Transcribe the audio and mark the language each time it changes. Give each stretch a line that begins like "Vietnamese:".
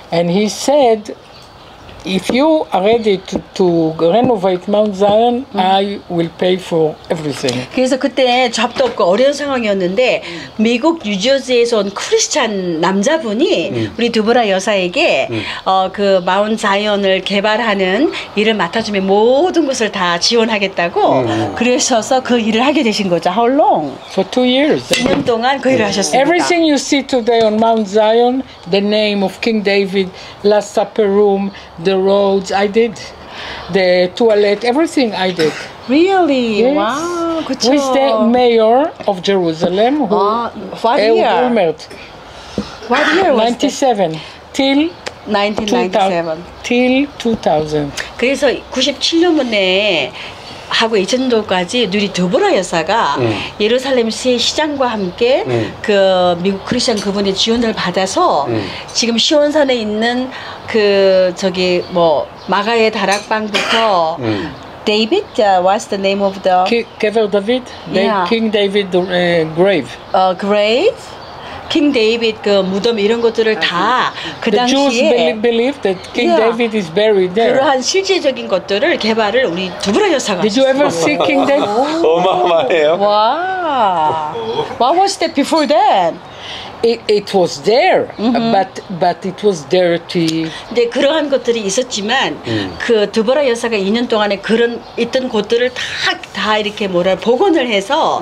English: And he said, if you are ready to renovate Mount Zion, I will pay for everything.
Korean: 그래서 그때 잡도 없고 어려운 상황이었는데 미국 뉴저지에서 온 크리스찬 남자분이 우리 두브라 여사에게 그 마운트 자이언을 개발하는 일을 맡아주면 모든 것을 다 지원하겠다고 그러셔서 그 일을 하게 되신 거죠.
English: How long? For 2 years. 2년 동안 그 일을 하셨습니다. Everything you see today on Mount Zion, the name of King David, Last Supper Room, the roads, I did. The toilet, everything I did. Really? Yes.
Korean: Wow, 그쵸.
English: With the mayor of Jerusalem, who, what year? Olmert. What year was 97. That? 97. Till 1997. Till 2000.
Korean: 그래서 97년에 하고 2000년도까지 우리 두브라 여사가 예루살렘 시장과 함께 그 미국 크리스천 그분의 지원을 받아서 지금 시온산에 있는 그 저기 뭐 마가의 다락방부터
English: David, what's the name of the Kever David? King David grave.
Korean: Grave. King David 그 무덤 이런 것들을 다 그 당시에
English: The Jews believe that King David is buried there.
Korean: 그러한 실제적인 것들을 개발을 우리 두브라 여사가
English: Did you ever see King David?
Korean: 어마어마해요.
English: 와. What was that before that? It was there, but it was dirty.
Korean: 네, 그러한 것들이 있었지만 그 두브라 여사가 2년 동안에 그런 있던 곳들을 다 이렇게 뭐랄 복원을 해서